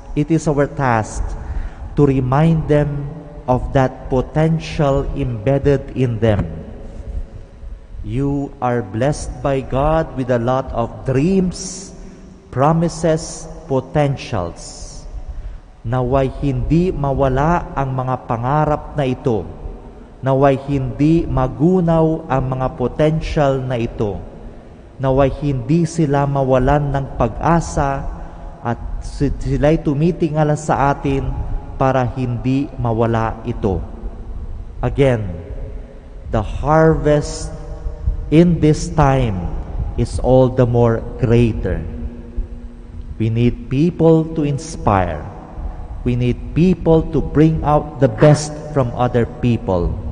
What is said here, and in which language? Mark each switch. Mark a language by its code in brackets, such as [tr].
[en] It is our task to remind them of that potential embedded in them. You are blessed by God with a lot of dreams, promises, potentials. [tl] Naway hindi mawala ang mga pangarap na ito. Naway hindi magunaw ang mga potential na ito. Naway hindi sila mawalan ng pag-asa at sila'y tumitingala sa atin para hindi mawala ito. [en] Again, the harvest in this time is all the more greater. We need people to inspire. We need people to bring out the best from other people.